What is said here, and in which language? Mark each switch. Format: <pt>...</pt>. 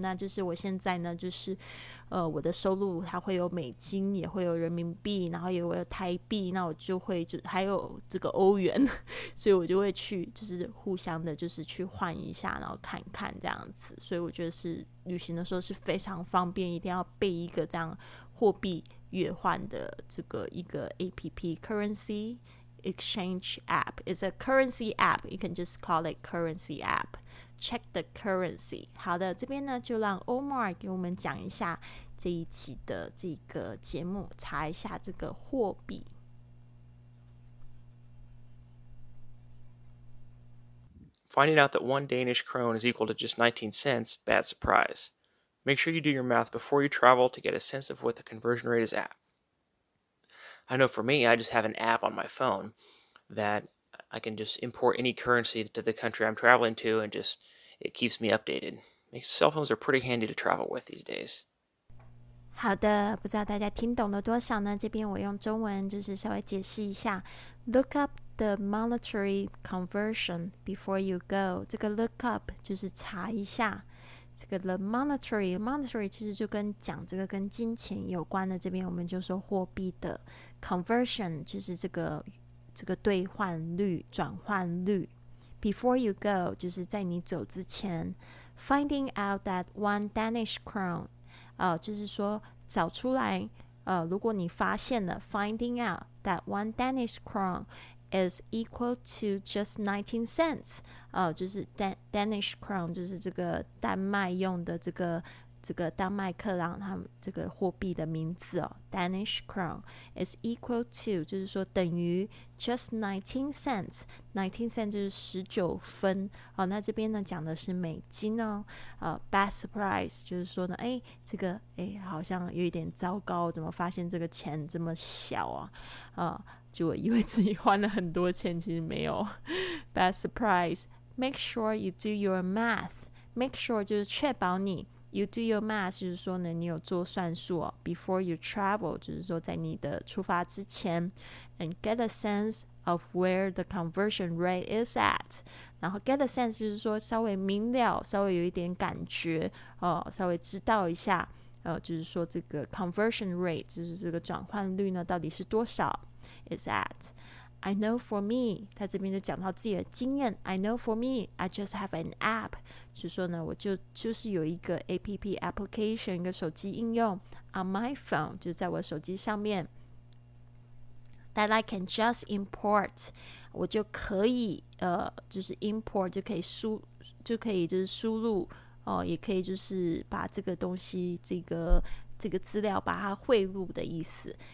<zh>那就是我现在呢就是我的收入它会有美金，也会有人民币，然后也会有台币，那我就会就还有这个欧元，所以我就会去就是互相的就是去换一下，然后看看这样子。所以我觉得是旅行的时候是非常方便，一定要备一个这样货币兑换的这个一个 APP，</zh> <en>Currency Exchange App， It's a currency app， You can just call it currency app， Check the currency。</en> <zh>好的，这边呢就让 Omar 给我们讲一下这一期的这个节目，查一下这个货币。</zh> <en>Finding out that one Danish krone is equal to just 19 cents, bad surprise. Make sure you do your math before you travel to get a sense of what the conversion rate is at. I know for me, I just have an app on my phone that I can just import any currency to the country I'm traveling to, and just it keeps me updated. Cell phones are pretty handy to travel with these days.</en> <zh>好的，不知道大家听懂了多少呢？这边我用中文就是稍微解释一下。</zh> <en>Look up the monetary conversion before you go.</en> <zh>这个</zh> <en>look up</en> <zh>就是查一下。这个</zh> <en>the monetary</en> <zh>其实就跟讲这个跟金钱有关的。这边我们就说货币的 conversion 就是这个兑换率转换率。</zh> <en>Before you go</en> <zh>就是在你走之前。</zh> <en>Finding out that one Danish krone。</en> <zh>就是说找出来如果你发现了</zh> <en>finding out that one Danish krone is equal to just 19 cents</en> <zh>就是 Danish krone 就是这个丹麦用的这个丹麦克朗他们这个货币的名字哦。</zh> <en>Danish krone is equal to</en> <zh>就是说等于</zh> <en>just 19 cents，</en> <zh>就是19分那这边呢讲的是美金哦。</zh> <en>Bad surprise</en> <zh>就是说呢好像有一点糟糕，怎么发现这个钱这么小啊。就我以为自己换了很多钱，其实没有。</zh> <en>Bad surprise。 Make sure you do your math， Make sure</en> <zh>就是确保你</zh> <en>You do your math</en> <zh>就是说呢你有做算术</zh> <en>Before you travel</en> <zh>就是说在你的出发之前。</zh> <en>And get a sense of where the conversion rate is at，</en> <zh>然后</zh> <en>get a sense</en> <zh>就是说稍微明了，稍微有一点感觉稍微知道一下就是说这个</zh> <en>conversion rate</en> <zh>就是这个转换率呢到底是多少</zh> <en>is at。 I know for me,</en> <zh>他这边就讲到自己的经验。</zh> <en>I know for me, I just have an app.</en> <zh>就说呢，我就是有一个 APP application, 一个手机应用</zh> <en>on my phone,</en> <zh>就在我手机上面。</zh> <en>That I can just import,</en> <zh>我就可以就是 import 就可以输入也可以就是把这个东西这个资料把它汇入的意思。</zh>